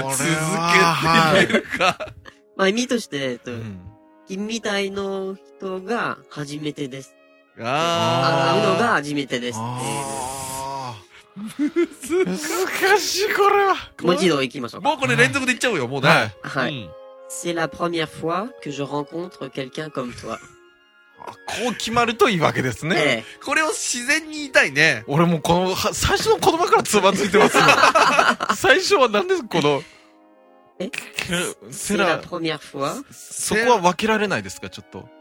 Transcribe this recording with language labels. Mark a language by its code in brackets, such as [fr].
[ja] 続けてみるか。まあ意味として、君みたいの人が初めてです。ああ。会うのが初めてですっていう。難しいこれは。もう一度行きましょうか。もうこれ連続で行っちゃうよ、もうね。はい。 [fr] C'est la première fois que je rencontre quelqu'un comme toi. [ja] こう決まるといいわけですね。これを自然に言いたいね。俺もこの最初の言葉からつまずいてます。最初は何ですこの。 [fr] C'est la première fois. [ja] そこは分けられないですかちょっと。